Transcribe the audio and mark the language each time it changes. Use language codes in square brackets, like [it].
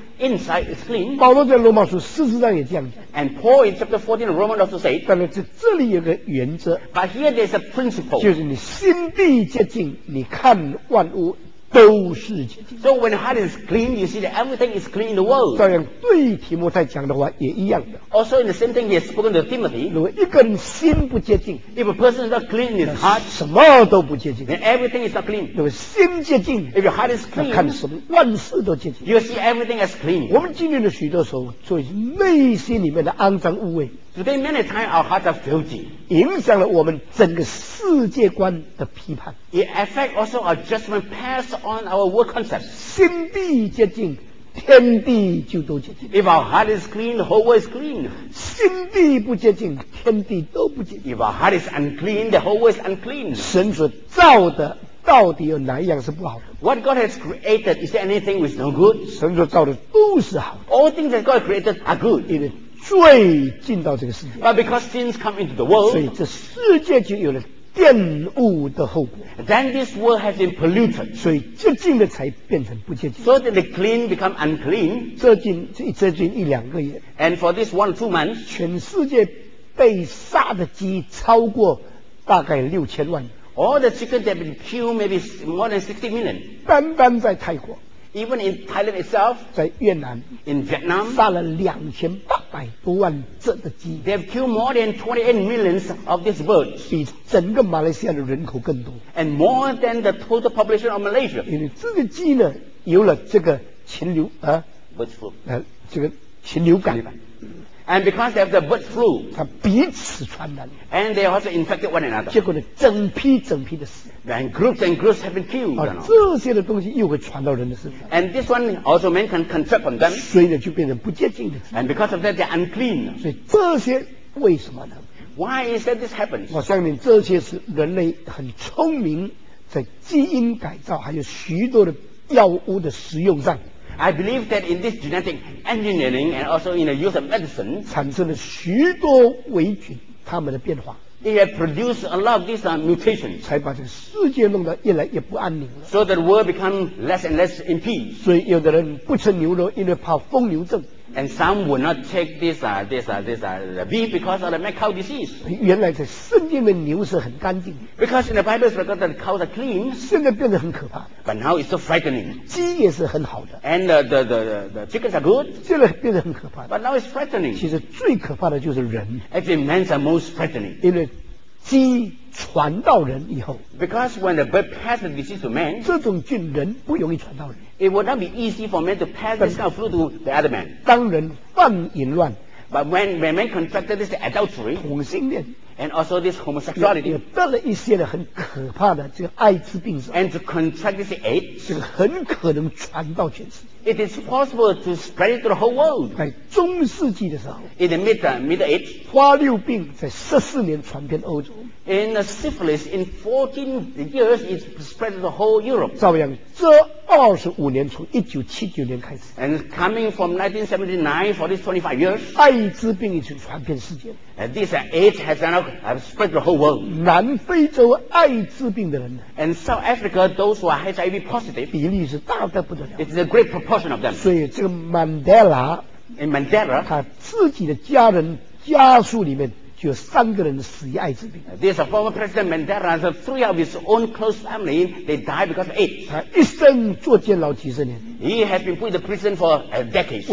[en] Inside is clean. [zh] 保罗在罗马书四十章也这样讲。 [en] And Paul in chapter 14 of Romans also said. [zh] 但是这里有个原则。 [en] But here there's a principle. [zh] 就是你心地洁净，你看万物都是洁净。 [en] So when the heart is clean, you see that everything is clean in the world. [zh] 照样对提摩太讲的话也一样的。 [en] Also in the same thing, he has spoken to Timothy. [zh] 如果一个人心不洁净 [en] ，if a person is not clean in his heart, [zh] 什么都不洁净。 [en] Then everything is not clean. [zh] 如果心洁净 [en] ，if your heart is clean, [zh] 看什么万事都洁净。 [en] You see everything as clean. [zh] 我们经历了许多时候，所以内心里面的肮脏污秽。 [en] Today many times our hearts are filthy. [zh] 影响了我们整个世界观的批判。 [en] It affects also our judgment passed on our world concepts. [zh] 心地洁净，天地就都洁净。 [en] If our heart is clean, the whole world is clean. [zh] 心地不洁净，天地都不洁净。 [en] If our heart is unclean, the whole world is unclean. [zh] 神所造的到底有哪一样是不好的？ [en] What God has created, is there anything which is no good? [zh] 神所造的都是好的。 [en] All things that God created are good. [zh] 因为罪进到这个世界。 [en] But because sins come into the world, [zh] 所以这世界就有了玷污的后果。 [en] Then this world has been polluted. [zh] 所以洁净的才变成不洁净。 [en] So that the clean become unclean. [zh] 这近一两个月。 [en] And for this 1 or 2 months, [zh] 全世界被杀的鸡超过大概6000万。 [en] All the chickens that have been killed, maybe more than 60 million. [zh] 单单在泰国。 [en] Even in Thailand itself. [zh] 在越南。 [en] In Vietnam. [zh] 杀了2800多万只的鸡。 [en] They've killed more than 28 million of these birds. [zh] 比整个马来西亚的人口更多。 [en] And more than the total population of Malaysia. [zh] 因为这个鸡呢，有了这个禽流啊。 [en] Bird flu. [zh] 这个禽流感。 [en] And because they have the bird flu, [zh] 他彼此传染。 [en] And they also infected one another. [zh] 结果呢，整批整批的死。 [en] And groups have been killed. [zh] 这些的东西又会传到人的身上。 [en] And this one also man can contract from them. [zh] 所以呢，就变成不洁净的。 [en] And because of that, they're unclean. [zh] 所以这些为什么呢 [en] ？Why is that this happens? [zh] 我相信这些是人类很聪明，在基因改造还有许多的药物的使用上。 [en] I believe that in this genetic engineering and also in the use of medicine, [zh] 产生了许多微菌，它们的变化。 [en] They have produced a lot of these mutations, [zh] 才把这个世界弄得越来越不安宁了。 [en] So that the world becomes less and less in peace. [zh] 所以有的人不吃牛肉，因为怕疯牛症。 [en] And some will not take this beef because of the mad cow disease. [zh] 原来在圣经里面牛是很干净。 [en] Because in the Bible, it's recorded that cows are clean. [zh] 现在变得很可怕。 [en] But now it's so frightening. [zh] 鸡也是很好的。 [en] And the chickens are good. [zh] 现在变得很可怕。 [en] But now it's frightening. [zh] 其实最可怕的就是人。 [en] Actually, men are most frightening. [zh] 因为鸡传到人以后。 [en] Because when the bird passes the disease to man, [zh] 这种菌人不容易传到人。 [en] It would not be easy for men to pass this kind of flu to the other man. [zh] 当人犯淫乱 [en] But when men contracted this adultery, [zh] 同性恋 [en] and also this homosexuality, [zh] 也得了一些的很可怕的这个艾滋病 [en] and to contract this AIDS, [zh] 这个很可能传到全世界 [en] It is possible to spread it to the whole world. [zh] 在中世纪的时候 [en] In the middle age, [zh] 花柳病在14年传遍欧洲 [en] And the syphilis in 14 years is spread to the whole Europe. [zh] 照样这25年从1979年开始 [en] ，and coming from 1979 for these 25 years， [zh] 艾滋病已经传遍世界。 [en] And this AIDS has now spread the whole world。 [zh] 南非洲艾滋病的人 [en] ，and South Africa those who are HIV positive， [zh] 比例是大得不得了。 [en] It's a great proportion of them。 [zh] 所以这个 Mandela， [en] in Mandela， [zh] 他自己的家人家属里面。就3个人死于艾滋病。 [en] There's a former president Mandela, so 3 of his own close family, they died because of AIDS. [zh] 他一生坐监牢几十年。 [en] He has been put in the prison for a decade.